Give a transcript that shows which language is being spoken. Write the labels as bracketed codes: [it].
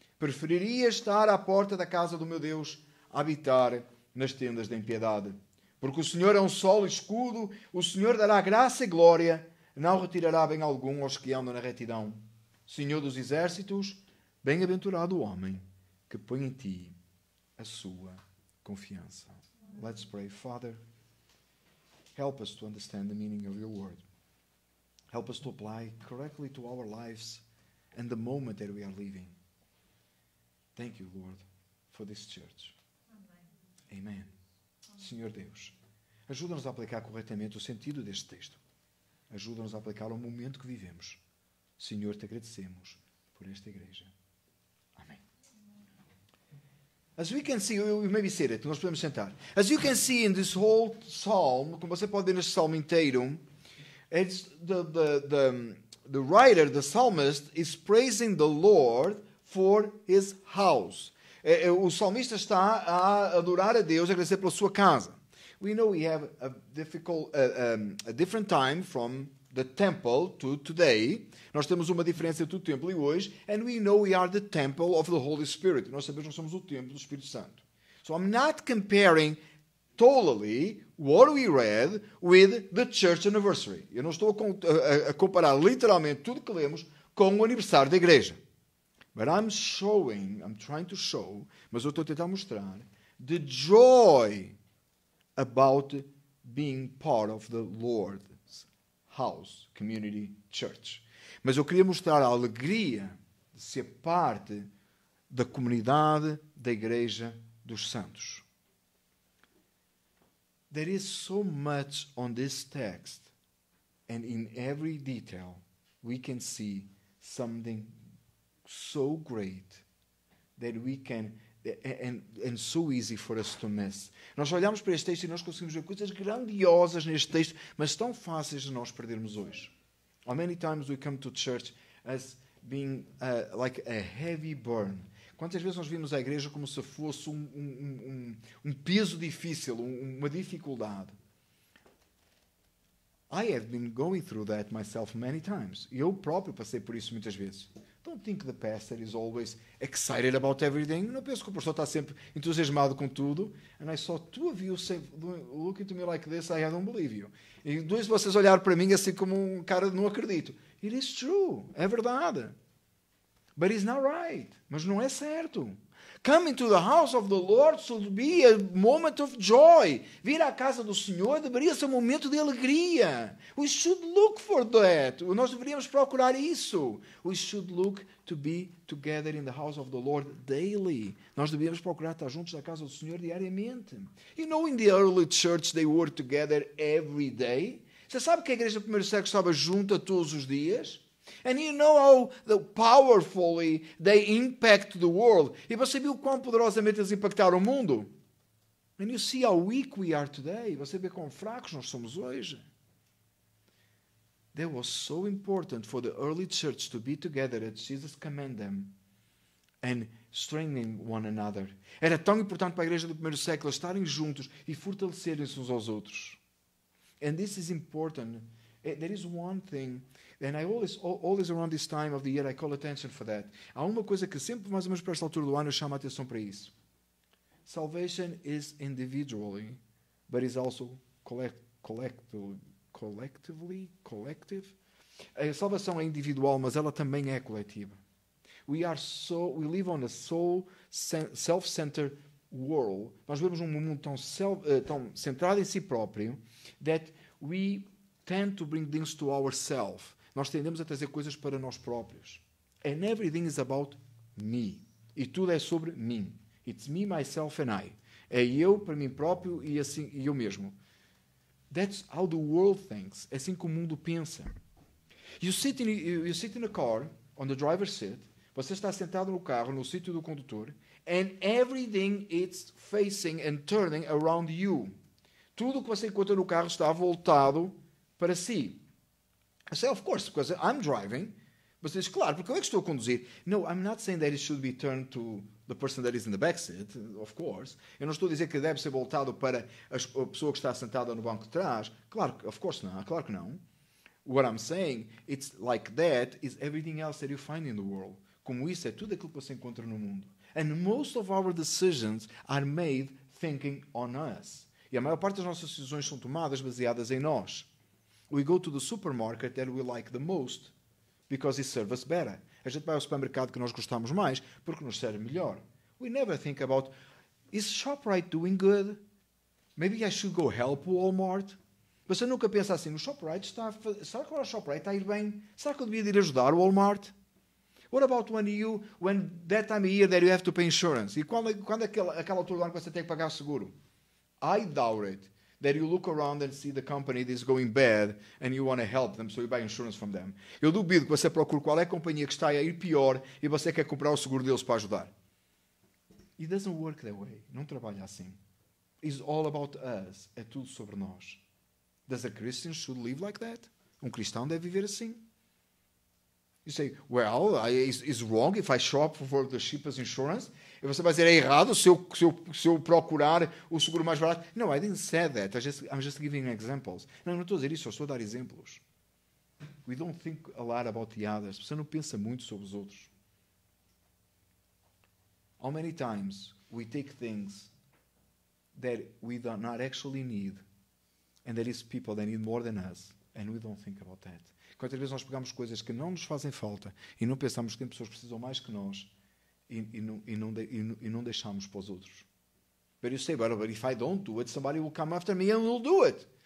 [pt] Preferiria estar à porta da casa do meu Deus, a habitar nas tendas da impiedade. Porque o Senhor é um sólido escudo, o Senhor dará graça e glória, não retirará bem algum aos que andam na retidão. Senhor dos Exércitos, bem-aventurado o homem que põe em ti a sua confiança. [en] Let's pray. Father, help us to understand the meaning of your word. Help us to apply correctly to our lives and the moment that we are living. Thank you, Lord, for this church. Amen. Amen. [pt] Senhor Deus, ajuda-nos a aplicar corretamente o sentido deste texto. Ajuda-nos a aplicar o momento que vivemos. Senhor, te agradecemos por esta igreja. [en] As we can see, we may be seated, [pt] nós podemos sentar. [en] As you can see in this whole psalm, [pt] como você pode ver neste psalm inteiro, [en] it's the writer, the psalmist, is praising the Lord for his house. [pt] O salmista está a adorar a Deus, a agradecer pela sua casa. [en] We know we have a different time from the temple to today. [pt] Nós temos uma diferença entre o templo e hoje. [en] And we know we are the temple of the Holy Spirit. [pt] Nós sabemos que nós somos o templo do Espírito Santo. [en] So I'm not comparing totally what we read with the church anniversary. [pt] Eu não estou a comparar literalmente tudo que lemos com o aniversário da igreja. [en] But I'm showing, I'm trying to show, [pt] mas eu estou a tentar mostrar, [en] the joy about being part of the Lord's house, community, church. [pt] Mas eu queria mostrar a alegria de ser parte da comunidade, da igreja, dos santos. [en] There is so much on this text, and in every detail, we can see something so great that we can and so easy for us to miss. [pt] Nós olhamos para este texto e nós conseguimos ver coisas grandiosas neste texto, mas tão fáceis de nós perdermos hoje. [en] How many times we come to church as being like a heavy burden? [pt] Quantas vezes nós vimos a igreja como se fosse um peso difícil, uma dificuldade? [en] I have been going through that myself many times. [pt] Eu próprio passei por isso muitas vezes. [en] Don't think the pastor is always excited about everything. [pt] Não penso que o pastor está sempre entusiasmado com tudo. [en] And I saw two of you say, looking to me like this, I don't believe you. [pt] E dois de vocês olharam para mim assim como um cara de não acredito. [en] It is true. [pt] É verdade. [en] But it's not right. [pt] Mas não é certo. [en] Coming to the house of the Lord should be a moment of joy. [pt] Vir à casa do Senhor deveria ser um momento de alegria. [en] We should look for that. [pt] Nós deveríamos procurar isso. [en] We should look to be together in the house of the Lord daily. [pt] Nós deveríamos procurar estar juntos na casa do Senhor diariamente. [en] You know, in the early church they were together every day. [pt] Você sabe que a igreja do primeiro século estava junta todos os dias? [en] And you know how powerfully they impact the world. [pt] E você viu quão poderosamente eles impactaram o mundo? [en] And you see how weak we are today. [pt] Você vê quão fracos nós somos hoje. [en] That was so important for the early church to be together as Jesus commanded them and strengthening one another. [pt] Era tão importante para a igreja do primeiro século estarem juntos e fortalecerem-se uns aos outros. [en] And this is important. There is one thing. And I always around this time of the year, I call attention for that. [pt] Há uma coisa que sempre, mais ou menos para esta altura do ano, eu chamo a atenção para isso. [en] Salvation is individually, but is also collective. [pt] A salvação é individual, mas ela também é coletiva. [en] We live on a soul self-centered world. [pt] Nós vivemos num mundo tão centrado em si próprio [en] that we tend to bring things to ourselves. [pt] Nós tendemos a trazer coisas para nós próprios. [en] And everything is about me. [pt] E tudo é sobre mim. [en] It's me, myself and I. [pt] É eu para mim próprio e assim e eu mesmo. [en] That's how the world thinks. [pt] É assim que o mundo pensa. [en] You sit in a car on the driver's seat. [pt] Você está sentado no carro, no sítio do condutor. [en] And everything is facing and turning around you. [pt] Tudo o que você encontra no carro está voltado para si. [en] I say, of course, because I'm driving. But it's [pt] claro, porque eu é que estou a conduzir. [en] No, I'm not saying that it should be turned to the person that is in the back seat, of course. [pt] Eu não estou a dizer que deve ser voltado para a pessoa que está sentada no banco de trás. Claro, [en] of course not, [pt] claro que não. [en] What I'm saying, it's like that, is everything else that you find in the world. [pt] Como isso é tudo aquilo que você encontra no mundo. [en] And most of our decisions are made thinking on us. [pt] E a maior parte das nossas decisões são tomadas baseadas em nós. [en] We go to the supermarket that we like the most because it serves us better. [pt] A gente vai ao supermercado que nós gostamos mais porque nos serve melhor. [en] We never think about, is ShopRite doing good? Maybe I should go help Walmart? [pt] Você nunca pensa assim, o ShopRite está a fazer, será que o ShopRite está a ir bem? Será que eu devia ir ajudar o Walmart? [en] What about when that time of year that you have to pay insurance? [pt] E quando aquela altura do ano que você tem que pagar o seguro? [en] I doubt it. That you look around and see the company that is going bad and you want to help them, so you buy insurance from them. [pt] Eu duvido que você procure qual é a companhia que está a ir pior e você quer comprar o seguro deles para ajudar. [en] It doesn't work that way. [pt] Não trabalha assim. [en] It's all about us. É tudo sobre nós. Does a Christian should live like that? [pt] Um cristão deve viver assim? [en] You say, well, is wrong if I shop for the cheapest insurance? [pt] E você vai dizer, é errado se eu procurar o seguro mais barato? [en] No, I didn't say that. I'm just giving examples. [pt] Não, não estou a dizer isso, eu estou a dar exemplos. [en] We don't think a lot about the others. [pt] Você não pensa muito sobre os outros. [en] How many times we take things that we do not actually need and there is people that need more than us and we don't think about that. [pt] Quantas vezes nós pegamos coisas que não nos fazem falta e não pensamos que tem pessoas que precisam mais que nós e não deixamos para os outros. [en] But you say, but if I don't do it, somebody will come after me and will do it.